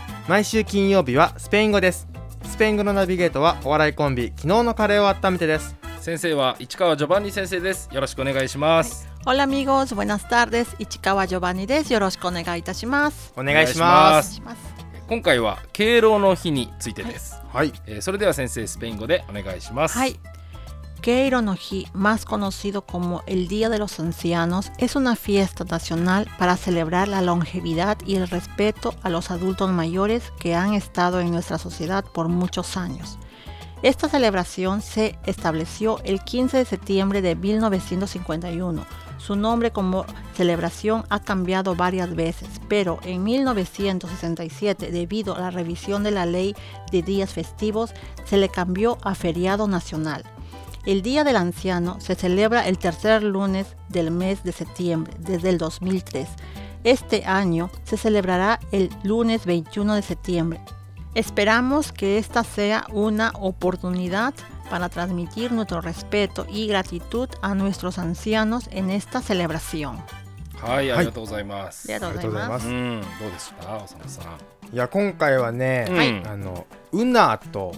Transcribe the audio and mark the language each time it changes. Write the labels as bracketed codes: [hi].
[ja] 毎週金曜日はスペイン語です。スペイン語のナビゲートはお笑いコンビ昨日のカレーを温めてです。先生は市川ジョバンニ先生です。よろしくお願いします。 [es] ホラミゴーズ、ブエナスタール [ja] です。市川ジョバンニです。よろしくお願いいたします。お願いします。今回は敬老の日についてです。はい、それでは先生スペイン語でお願いします。はい、 [es] Queiro no Hi, más conocido como el Día de los Ancianos, es una fiesta nacional para celebrar la longevidad y el respeto a los adultos mayores que han estado en nuestra sociedad por muchos años. Esta celebración se estableció el 15 de septiembre de 1951. Su nombre como celebración ha cambiado varias veces, pero en 1967, debido a la revisión de la Ley de Días Festivos, se le cambió a Feriado Nacional. El Día del Anciano se celebra el tercer lunes del mes de septiembre desde el 2003. Este año se celebrará el lunes 21 de septiembre. Esperamos que esta sea una oportunidad para transmitir nuestro respeto y gratitud a nuestros ancianos en esta celebración. [ja] はい、ありがとうございます。ありがとうございます。どうでした、おさむさん。いや、今回はね、あの、ウナと、